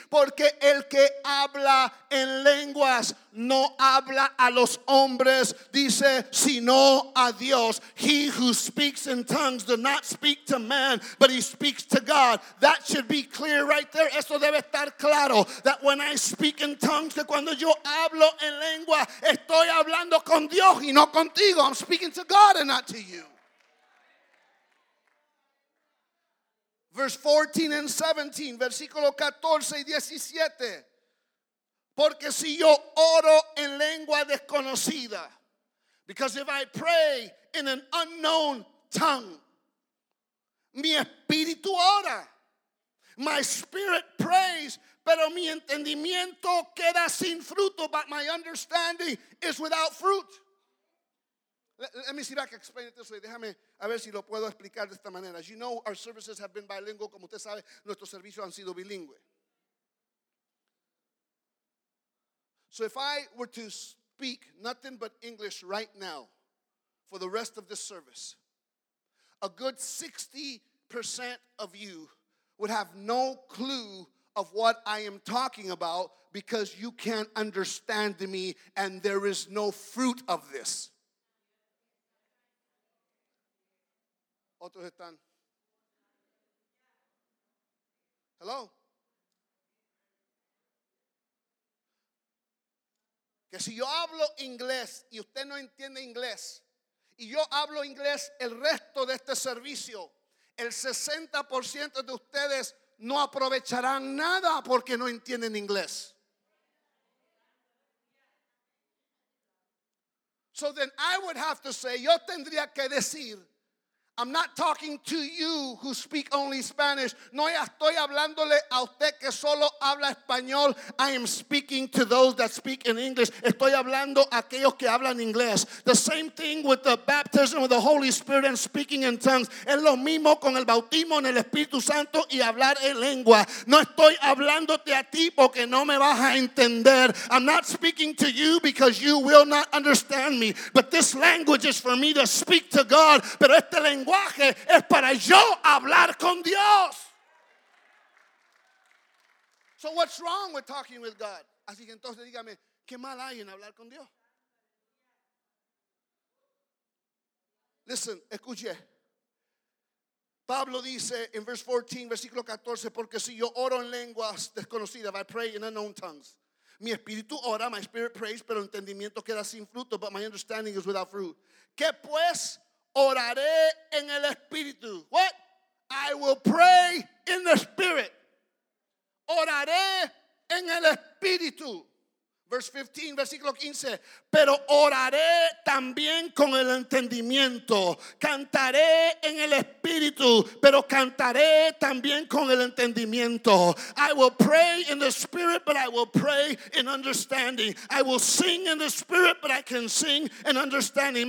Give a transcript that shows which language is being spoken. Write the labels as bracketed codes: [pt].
[es] Porque el que habla en lenguas no habla a los hombres, dice, sino a Dios. [en] He who speaks in tongues does not speak to man, but he speaks to God. That should be clear right there. [es] Eso debe estar claro. [en] That when I speak in tongues, [es] que cuando yo hablo en lengua, estoy hablando con Dios y no contigo. [en] I'm speaking to God and not to you. Verse 14 and 17, [es] versículo 14 y 17. Porque si yo oro en lengua desconocida, [en] because if I pray in an unknown tongue, [es] mi espíritu ora, [en] my spirit prays, [es] pero mi entendimiento queda sin fruto, [en] but my understanding is without fruit. Let me see if I can explain it this way. [es] Déjame a ver si lo puedo explicar de esta manera. [en] As you know, our services have been bilingual. [es] Como usted sabe, nuestros servicios han sido bilingüe. [en] So if I were to speak nothing but English right now for the rest of this service, a good 60% of you would have no clue of what I am talking about because you can't understand me and there is no fruit of this. [es] Otros están. [en] Hello. [es] Que si yo hablo inglés y usted no entiende inglés, y yo hablo inglés el resto de este servicio, el 60% de ustedes no aprovecharán nada porque no entienden inglés. [en] So then I would have to say, [es] yo tendría que decir, [en] I'm not talking to you who speak only Spanish. [es] No estoy hablándole a usted que solo habla español. [en] I am speaking to those that speak in English. [es] Estoy hablando a aquellos que hablan inglés. [en] The same thing with the baptism of the Holy Spirit and speaking in tongues. [es] Es lo mismo con el bautismo en el Espíritu Santo y hablar en lengua. No estoy hablándote a ti porque no me vas a entender. [en] I'm not speaking to you because you will not understand me. But this language is for me to speak to God. [es] Pero este lenguaje es para yo hablar con Dios. [en] So what's wrong with talking with God? [es] Así que entonces dígame, ¿qué mal hay en hablar con Dios? [en] Listen, [es] escuche. Pablo dice en [en] verse 14, [es] versículo 14, porque si yo oro en lenguas desconocidas, [en] I pray in unknown tongues. [es] Mi espíritu ora, [en] my spirit prays, [es] pero el entendimiento queda sin fruto, [en] but my understanding is without fruit. [es] ¿Qué pues? Oraré en el Espíritu. [en] What? I will pray in the Spirit. [es] Oraré en el Espíritu. [en] Verse 15, [es] versículo 15. Pero oraré también con el entendimiento. Cantaré en el Espíritu, pero cantaré también con el entendimiento. [en] I will pray in the Spirit, but I will pray in understanding. I will sing in the Spirit, but I can sing in understanding.